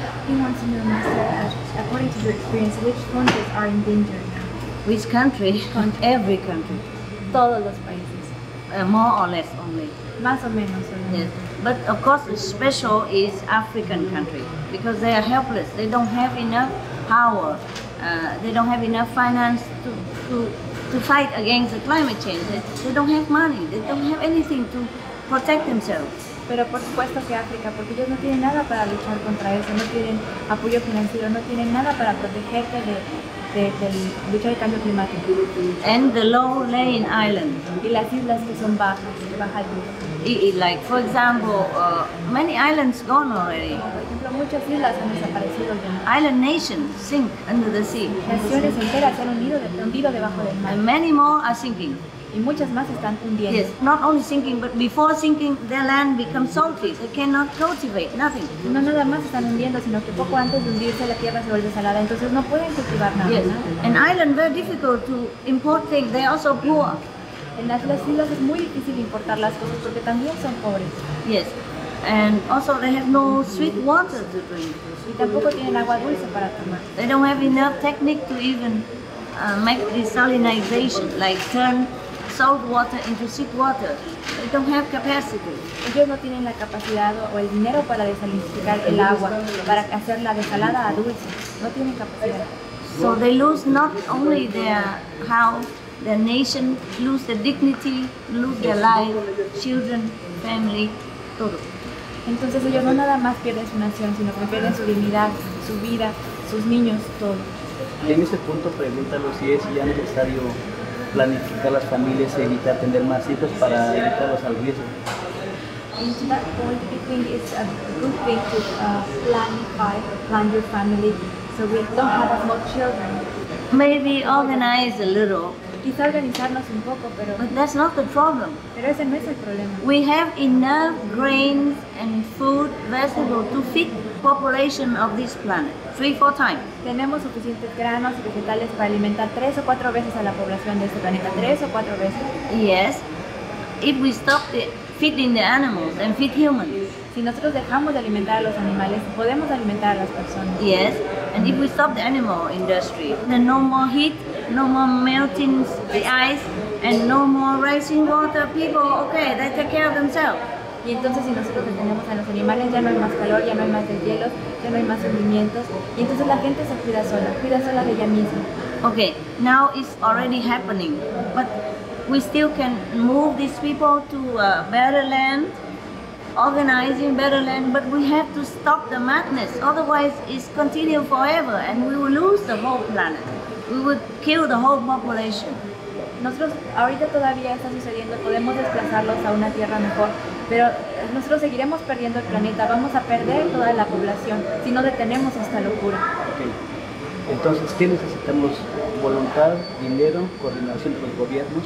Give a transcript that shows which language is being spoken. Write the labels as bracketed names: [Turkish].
[English] He wants to know, Master, according to your experience, which countries are in danger? Which country? Every country. [Spanish] Todos los países. [English] More or less only. [Spanish] Más o menos. [English] Yes. But of course, the special is African country because they are helpless. They don't have enough power. They don't have enough finance to fight against the climate change. They don't have money. They don't have anything to protect themselves. [Spanish] Pero por supuesto que África, porque ellos no tienen nada para luchar contra eso. No tienen apoyo financiero. No tienen nada para protegerse de del cambio climático. [English] And the low-lying islands. [Spanish] Y las islas que son bajas, de baja [English] altitud. Like, for example, many islands gone already. [Spanish] Por ejemplo, muchas islas han desaparecido ya. [English] Island nations sink under the sea. [Spanish] Naciones enteras se han hundido debajo del mar. [English] And many more are sinking. [Spanish] Y muchas más están hundiendo. [English] Yes, not only sinking, but before sinking, their land becomes salty. They cannot cultivate nothing. [Spanish] No nada más están hundiendo, sino que poco antes de hundirse la tierra se vuelve salada. Entonces no pueden cultivar nada. [English] Yes, [Spanish] ¿no? [English] An island very difficult to import things. They are also poor. [Spanish] En las islas es muy difícil importar las cosas porque también son pobres. [English] Yes, and also they have no sweet water to drink. [Spanish] Y tampoco tienen agua dulce para tomar. [English] They don't have enough technique to even make desalinization, like turn salt water into sweet water. They don't have capacity. [Spanish] Ellos no tienen la capacidad o el dinero para desalinizar el agua, para hacerla desalada a dulce. No tienen capacidad. [English] So they lose not only their house, their nation, lose their dignity, lose their life, children, family, todo. [Spanish] Entonces ellos no nada más pierden su nación, sino que pierden su dignidad, su vida, sus niños, todo. Y en ese punto pregúntalo si es ya necesario planificar las familias y evitar tener más hijos para evitarlos al riesgo. [English] Into that point, I think it's a good thing to plan your family so we don't have as much children. Maybe organize a little. [Spanish] Quizá organizarnos un poco, pero. [English] But that's not the problem. [Spanish] Pero ese no es el problema. [English] We have enough grains and food, vegetables to feed population of this planet 3-4 times. [Spanish] Tenemos suficientes granos y vegetales para alimentar 3 o 4 veces a la población de este planeta, 3 o 4 veces. [English] Yes. If we stop feeding the animals and feed humans. [Spanish] Si nosotros dejamos de alimentar a los animales, podemos alimentar a las personas. [English] Yes. And if we stop the animal industry, then no more heat, no more melting the ice and no more rising water, people okay, they take care of themselves. [Spanish] Y entonces si nosotros detenemos a los animales, ya no hay más calor, ya no hay más deshielo, ya no hay más hundimientos. Y entonces la gente se cuida sola de ella misma. [English] Okay, now it's already happening, but we still can move these people to a better land, organizing better land, but we have to stop the madness, otherwise it's continue forever and we will lose the whole planet. We will kill the whole population. [Spanish] Nosotros, ahorita todavía está sucediendo, podemos desplazarlos a una tierra mejor. pero nosotros seguiremos perdiendo el planeta, vamos a perder toda la población si no detenemos esta locura. Okay. Entonces, ¿qué necesitamos? ¿Voluntad, dinero, coordinación con los gobiernos?